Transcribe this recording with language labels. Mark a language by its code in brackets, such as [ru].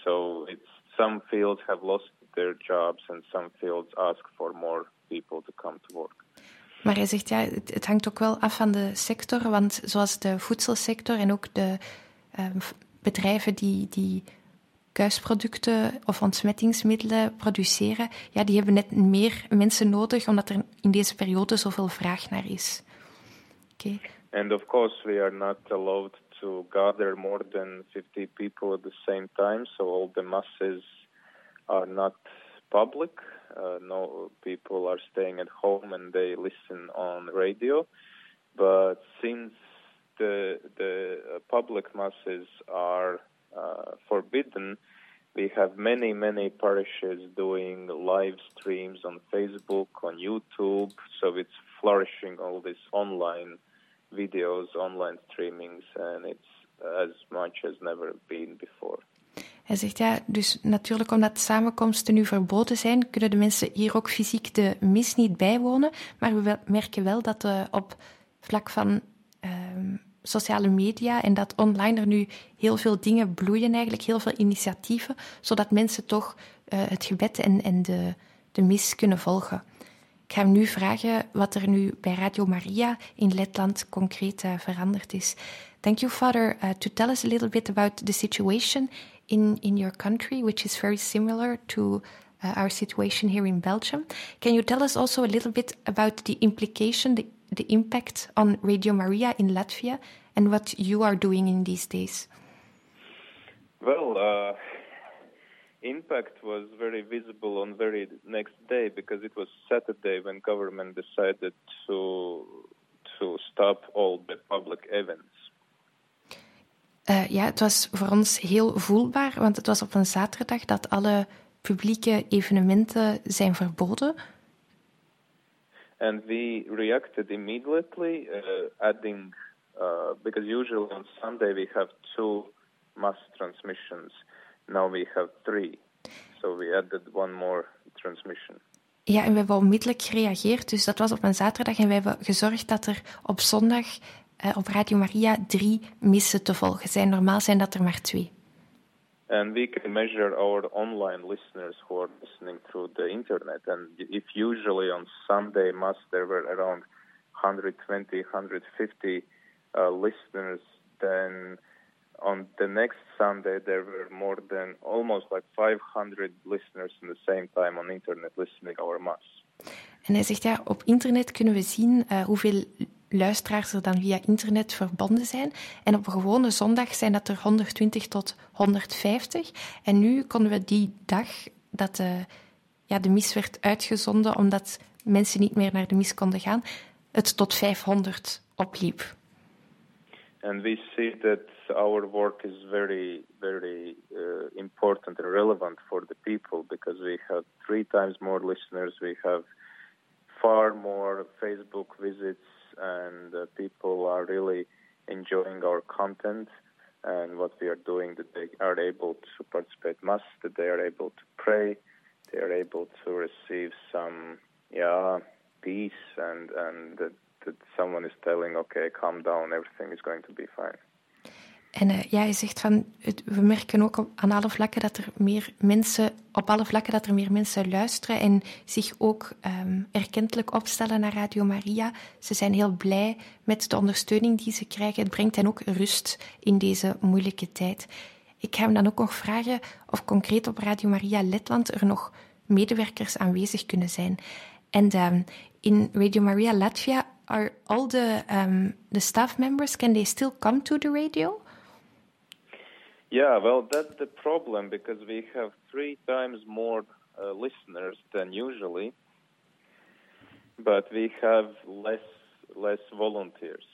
[en] So it's some fields have lost their jobs and some fields ask for more people to come to work. [nl] Maar hij zegt ja, het hangt ook wel af van de sector, want zoals de voedselsector en ook de bedrijven die kuisproducten of ontsmettingsmiddelen produceren, ja, die hebben net meer mensen nodig omdat er in deze periode zoveel vraag naar is. [en] Okay. And of course we are not allowed to gather more than 50 people at the same time, so all the masses are not public. No, people are staying at home and they listen on radio. But since the public masses are forbidden, we have many, many parishes doing live streams on Facebook, on YouTube. So it's flourishing, all these online videos, online streamings, and it's as much as never been before. [nl] Hij zegt ja, dus natuurlijk omdat samenkomsten nu verboden zijn, kunnen de mensen hier ook fysiek de mis niet bijwonen. Maar we merken wel dat op vlak van sociale media en dat online er nu heel veel dingen bloeien eigenlijk, heel veel initiatieven, zodat mensen toch het gebed en de mis kunnen volgen. Ik ga hem nu vragen wat er nu bij Radio Maria in Letland concreet veranderd is. [en] Thank you, Father, to tell us a little bit about the situation in your country, which is very similar to our situation here in Belgium. Can you tell us also a little bit about the implication, the impact on Radio Maria in Latvia and what you are doing in these days? Well, impact was very visible on very next day because it was Saturday when government decided to stop all the public events. [nl] Ja, het was voor ons heel voelbaar, want het was op een zaterdag dat alle publieke evenementen zijn verboden. [en] And we reacted immediately, adding because usually on Sunday we have two mass transmissions. Now we have three. So we added one more transmission. [nl] Ja, en we hebben onmiddellijk gereageerd. Dus dat was op een zaterdag en we hebben gezorgd dat er op zondag op Radio Maria drie missen te volgen zijn. Normaal zijn dat er maar twee. [en] And we can measure our online listeners who are listening through the internet. And if usually on Sunday mass there were around 120, 150 listeners, then on the next Sunday there were more than almost like 500 listeners in the same time on internet listening our mass. [nl] En hij zegt ja, op internet kunnen we zien hoeveel luisteraars er dan via internet verbonden zijn. En op een gewone zondag zijn dat er 120 tot 150. En nu konden we die dag dat de mis werd uitgezonden omdat mensen niet meer naar de mis konden gaan, het tot 500 opliep. [en] And we see that our work is very, very important and relevant for the people, because we have three times more listeners, we have far more Facebook visits, and people are really enjoying our content and what we are doing, that they are able to participate mass, that they are able to pray, they are able to receive some peace, and that someone is telling, okay, calm down, everything is going to be fine. [nl] En je zegt van, we merken ook aan alle vlakken dat er meer mensen, op alle vlakken dat er meer mensen luisteren en zich ook erkentelijk opstellen naar Radio Maria. Ze zijn heel blij met de ondersteuning die ze krijgen. Het brengt hen ook rust in deze moeilijke tijd. Ik ga hem dan ook nog vragen of concreet op Radio Maria Letland er nog medewerkers aanwezig kunnen zijn. [en] En in Radio Maria Latvia, are all the staff members, can they still come to the radio? Yeah, well, that's the problem, because we have three times more listeners than usually, but we have less volunteers.